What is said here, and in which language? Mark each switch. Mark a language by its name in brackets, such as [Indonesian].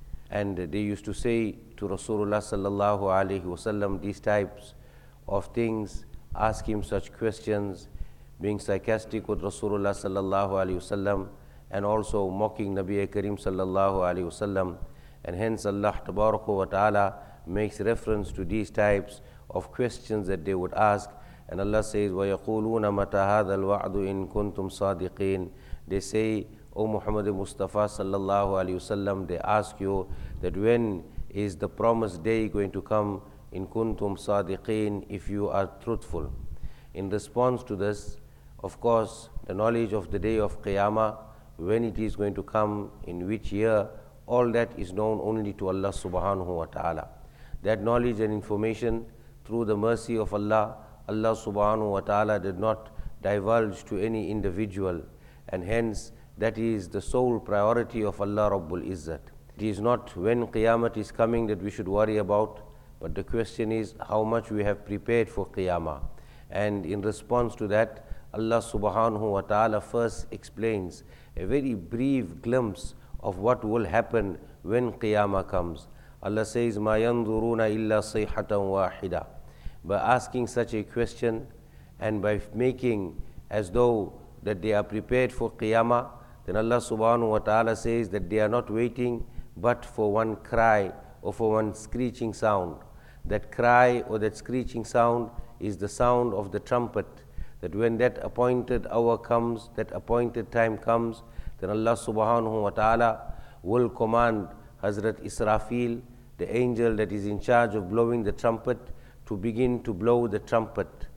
[English] And they used to say to Rasulullah sallallahu alayhi wasallam these types of things, ask him such questions, being sarcastic with Rasulullah sallallahu alayhi wasallam, and also mocking Nabi Kareem sallallahu alayhi wasallam. And hence Allah tabaraka wa ta'ala makes reference to these types of questions that they would ask. And Allah says, [Arabic] وَيَقُولُونَ مَتَى هَذَا الْوَعْدُ إِن كُنْتُمْ صَادِقِينَ. [English] They say, O Muhammad Mustafa sallallahu alayhi wasallam, they ask you that when is the promised day going to come, [Arabic] in kuntum sadiqeen, [English] if you are truthful. In response to this, of course, the knowledge of the day of Qiyamah, when it is going to come, in which year, all that is known only to Allah subhanahu wa ta'ala. That knowledge and information, through the mercy of Allah, Allah subhanahu wa ta'ala did not divulge to any individual. And hence, that is the sole priority of Allah Rabbul Izzat. It is not when Qiyamah is coming that we should worry about, but the question is how much we have prepared for Qiyamah. And in response to that, Allah subhanahu wa ta'ala first explains a very brief glimpse of what will happen when Qiyamah comes. Allah says, [Arabic] مَا يَنْظُرُونَ إِلَّا صَيْحَةً وَاحِدًا. [English] By asking such a question and by making as though that they are prepared for Qiyamah, then Allah subhanahu wa ta'ala says that they are not waiting but for one cry or for one screeching sound. That cry or that screeching sound is the sound of the trumpet, that when that appointed hour comes, that appointed time comes, then Allah subhanahu wa ta'ala will command Hazrat Israfil, the angel that is in charge of blowing the trumpet, to begin to blow the trumpet.